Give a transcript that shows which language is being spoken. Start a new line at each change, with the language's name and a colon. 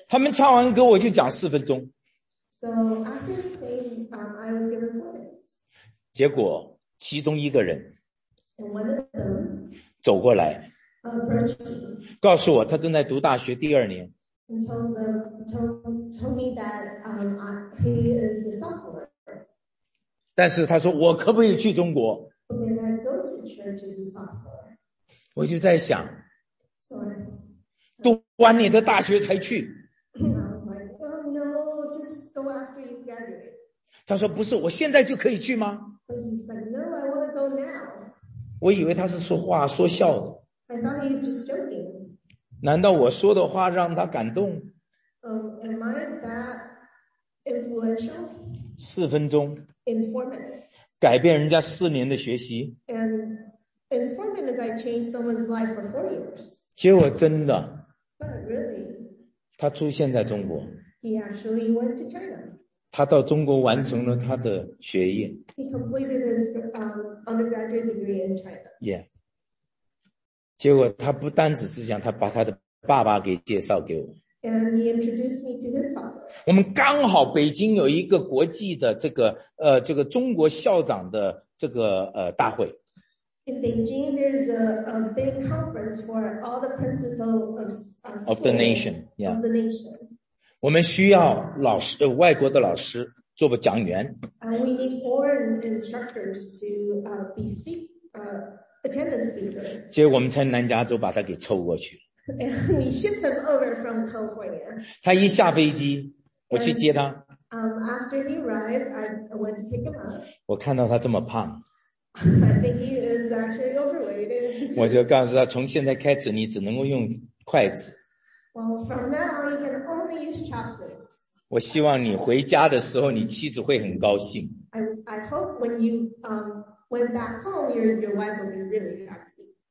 Chinese: 他们唱完歌我就讲四分钟。
English: So after saying, I was given 4 minutes.
Chinese: 结果其中一个人
English: And one of them
Chinese: 走过来
English: approached me.
Chinese: 告诉我他正在读大学第二年。
English: And told me that he is a sophomore.
Chinese: 但是他说我可不可以去中国。
English: But when I go to church as a sophomore.
Chinese: 我就在想。
English: So I...
Chinese: 读完你的大学才去。
English: Like, oh, no, just go after you graduate.
Chinese: 他说不是，我现在就可以去吗？
English: Like, no, I want to go now.
Chinese: 我以为他是说话说笑的。
English: I thought he was just joking.
Chinese: 难道我说的话让他感动？
English: Am I that influential?
Chinese: 四分钟。
English: In 4 minutes.
Chinese: 改变人家四年的学习。
English: And in 4 minutes, I changed someone's life for 4 years.
Chinese: 结果真的
English: really,
Chinese: 他出现在中国
English: he actually went to China.
Chinese: 他到中国完成了他的学业
English: he completed his, undergraduate degree in China. Yeah.
Chinese: 结果他不单只是讲他把他的爸爸给介绍给我
English: and he introduced me to his father.
Chinese: 我们刚好北京有一个国际的这个中国校长的这个大会
English: In Beijing, there's a big conference for all the principals of the nation. Yeah. Of the nation.
Chinese: 我们需要老师，外国的老师做个讲员。
English: And we need foreign instructors to attendance speaker.
Chinese: 结果我们从南加州把他给凑过去。
English: And we ship them over from California.
Chinese: 他一下飞机，我去接他。
English: And, after he arrived, I went to pick him up.
Chinese: 我看到他这么胖。
English: I think he is actually overweight.
Chinese: 我就告诉他，从现在开始你只能够用筷子。
English: Well, from now on, you can only use chopsticks.
Chinese: 我希望你回家的时候，你妻子会很高兴。
English: I hope when you went back home, your wife will be really happy.